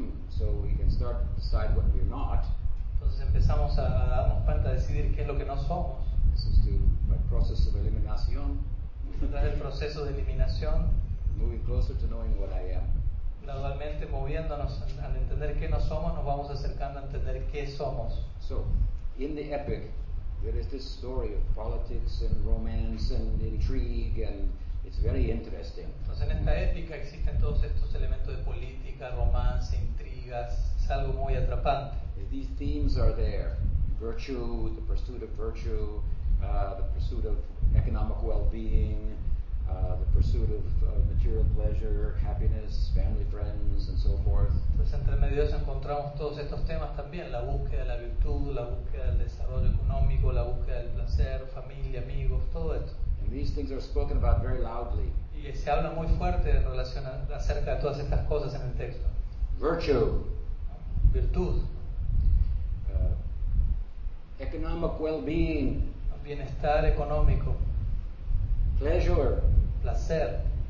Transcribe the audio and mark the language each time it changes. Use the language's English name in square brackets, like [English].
[English] So we can start to decide what we're not. [Spanish] Entonces empezamos a darnos cuenta de decidir qué es lo que no somos. [English] This is to my process of elimination. [Spanish] Tras el proceso de eliminación. [English] Moving closer to knowing what I am. [Spanish] Gradualmente moviéndonos al entender qué no somos, nos vamos acercando a entender qué somos. [English] So, in the epic, there is this story of politics and romance and intrigue and it's very interesting. [Spanish] Entonces, en esta épica existen todos estos elementos de política, romance, intrigas, es algo muy atrapante. [English] These themes are there: virtue, the pursuit of virtue, the pursuit of economic well-being, the pursuit of material pleasure, happiness, family, friends, and so forth. [Spanish] Entonces, entre medios encontramos todos estos temas también: la búsqueda de la virtud, la búsqueda del desarrollo económico, la búsqueda del placer, familia, amigos, todo esto. [English] And these things are spoken about very loudly. [Spanish] Y se habla muy fuerte en relación acerca de todas estas cosas en el texto. [English] Virtue. [Spanish] Virtud. [English] Economic well-being. [Spanish] Bienestar económico. [English] Pleasure. [Spanish] Placer.